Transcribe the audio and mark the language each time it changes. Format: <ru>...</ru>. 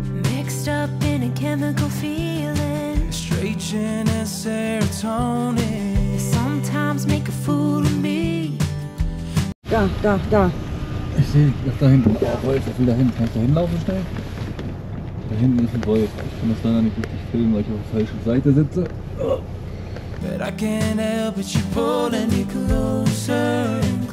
<en>Mixed up in a chemical feeling. Estrogen and serotonin. Sometimes make a fool of me.</en> <de>Da. Ich sehe dich da hinten. Ich will da hinten. Kannst du hinlaufen schnell? Da hinten ist ein Wolf. Ich kann das leider nicht richtig filmen, weil ich auf der falschen Seite sitze.</de> <en>But I can't help but you pulling me closer and</en>